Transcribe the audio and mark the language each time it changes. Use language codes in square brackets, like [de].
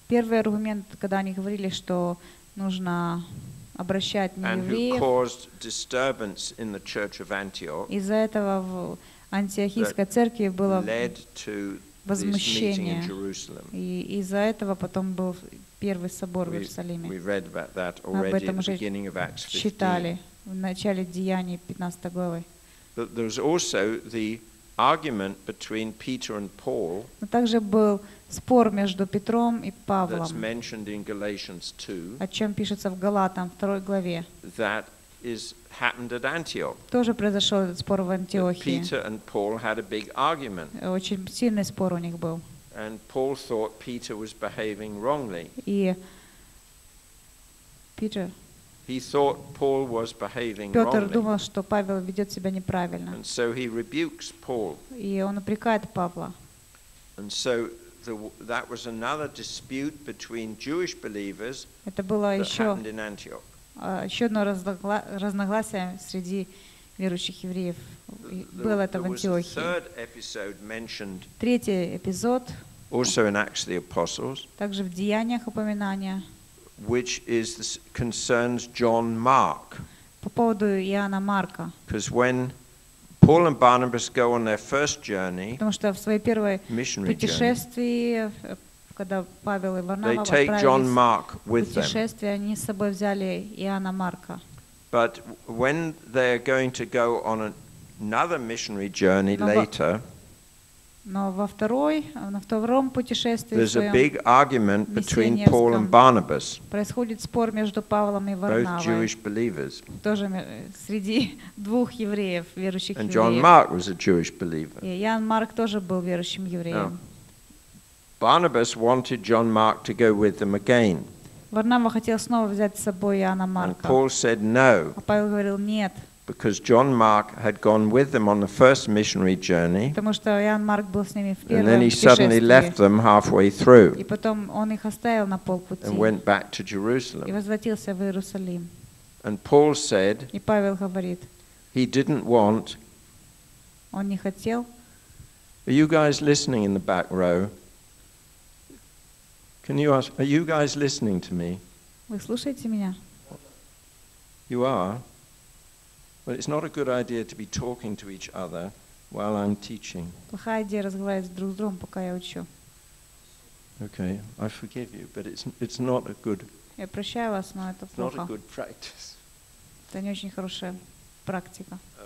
[ru] Первый аргумент, когда они говорили, что нужно обращать не евреев. [en] And who caused disturbance in the church of Antioch. [ru] Из-за этого в Антиохийской церкви было возмущение. И из-за этого потом был первый собор в Иерусалиме. [en] We read about that already at the beginning of Acts 15. [ru] Читали в начале Деяний 15 главы. [en] But there was also the argument between Peter and Paul. [ru] Но также был спор между Петром и Павлом. [en] That's mentioned in Galatians 2. [ru] О чем пишется в Галатам 2 главе. [en] That is happened at Antioch. [ru] Тоже произошел этот спор в Антиохии. [en] Peter and Paul had a big argument. [ru] Очень сильный спор у них был. [en] And Paul thought Peter was behaving wrongly. [ru] И Питер. [en] He thought Paul was behaving [ru] Петр [en] wrongly. [ru] Петр думал, что Павел ведет себя неправильно. [en] And so he rebukes Paul. [ru] И он упрекает Павла. [en] And so that was another dispute between Jewish believers. [ru] Это было еще [en] happened in Antioch. [ru] Еще одно разногласие среди верующих евреев было это в Антиохии. Третий эпизод. [en] Also in Acts of the Apostles. [ru] Также в Деяниях упоминание. [en] Which is this concerns John Mark. [ru] По поводу Иоанна Марка. [en] Because when Paul and Barnabas go on their first journey. [ru] Потому что в своей первой путешествии, когда Павел и Варнава отправились в путешествие, они с собой взяли Иоанна Марка. [en] But when they are going to go on another missionary journey later. [ru] Но во второй, на втором путешествии, [en] there's a big argument between Paul and Barnabas. [ru] Происходит спор между Павлом и Варнавой. [en] Both Jewish believers. [ru] Тоже среди двух евреев, верующих евреев. [en] And John Mark was a Jewish believer. [ru] И Иоанн Марк тоже был верующим евреем. [en] Barnabas wanted John Mark to go with them again. [ru] Варнава хотел снова взять с собой Иоанна Марка. [en] And Paul said no. [ru] А Павел говорил нет. [en] Because John Mark had gone with them on the first missionary journey. [ru] Потому что Иоанн Марк был с ними в первом путешествии. [en] And then he suddenly left them halfway through. [ru] И потом он их оставил на полпути. [en] And went back to Jerusalem. [ru] И возвратился в Иерусалим. [en] And Paul said. [ru] И Павел говорит. [en] He didn't want. [ru] Он не хотел. [en] Are you guys listening in the back row? Can you ask, are you guys listening to me? [ru] Вы слушаете меня? [en] You are. Well, it's not a good idea to be talking to each other while I'm teaching. [ru] Плохая идея разговаривать друг с другом, пока я учу. [en] Okay, I forgive you, but it's not a good. [ru] Я прощаю вас, но это плохо. [en] Not a good practice. [ru] Это не очень хорошая практика.